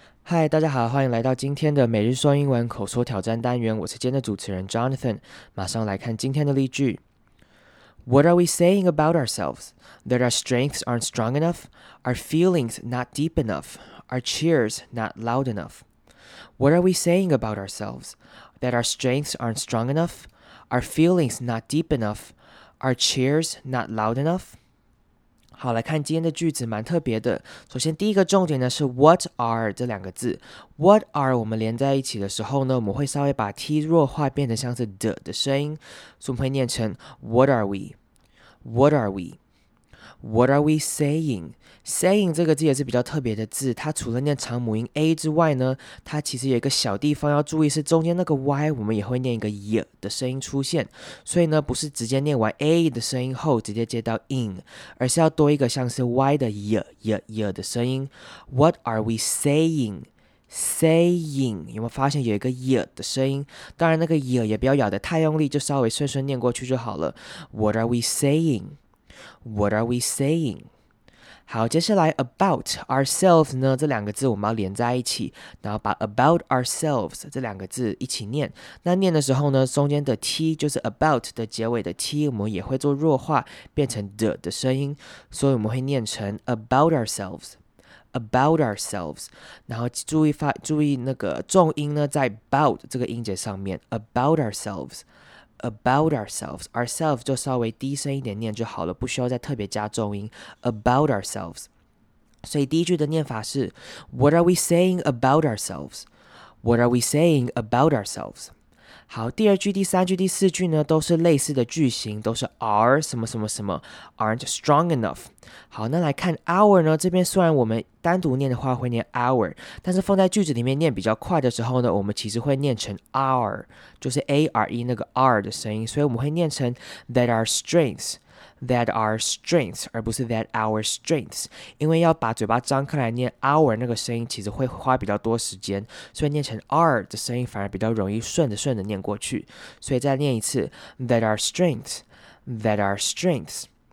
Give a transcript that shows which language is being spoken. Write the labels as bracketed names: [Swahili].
[Chinese] 嗨，大家好，欢迎来到今天的每日说英文口说挑战单元，我是今天的主持人 Jonathan。马上来看今天的例句。 [English] What are we saying about ourselves? That our strengths aren't strong enough? Our feelings not deep enough? Our cheers not loud enough? What are we saying about ourselves? That our strengths aren't strong enough? Our feelings not deep enough? Our cheers not loud enough? [Chinese] 好，来看今天的句子，蛮特别的。首先第一个重点呢是 what are 这两个字。 what are 我们连在一起的时候呢，我们会稍微把 t 弱化变成像是 the 的声音，所以我们会念成 what are we, what are we, what are we saying。 saying 这个字也是比较特别的字，它除了念长母音 a 之外呢，它其实有一个小地方要注意，是中间那个 y 我们也会念一个 y 的声音出现，所以呢不是直接念完 a 的声音后直接接到 in， 而是要多一个像是 y 的 y y y 的声音。 [English] What are we saying? [Chinese] Saying 有没有发现有一个 y 的声音？当然那个 y 也不要咬得太用力，就稍微顺顺念过去就好了。 [English] What are we sayingWhat are we saying? [Chinese] 好，接下来 about ourselves 呢，这两个字我们要连在一起，然后把 about ourselves 这两个字一起念。那念的时候呢，中间的 t 就是 about 的结尾的 t， 我们也会做弱化，变成 the 的声音，所以我们会念成 about ourselves, about ourselves。然后注意那个重音呢，在 about 这个音节上面 ，about ourselves。 About ourselves, ourselves 就稍微低声一点念就好了，不需要再特别加重音。 [English] About ourselves, [Chinese] 所以第一句的念法是 [English] What are we saying about ourselves? What are we saying about ourselves? [Chinese] 好，第二句、第三句、第四句呢，都是类似的句型，都是 are 什么什么什么 aren't strong enough。好，那来看 our 呢，这边虽然我们单独念的话会念 our， 但是放在句子里面念比较快的时候呢，我们其实会念成 our， 就是 are 那个 r 的声音，所以我们会念成 that our strengths, that our strengths， 而不是 that our strengths， 因为要把嘴巴张开来念 our 那个声音其实会花比较多时间，所以念成 r 的声音反而比较容易顺着顺着念过去，所以再念一次 that our strengths, that our strengths。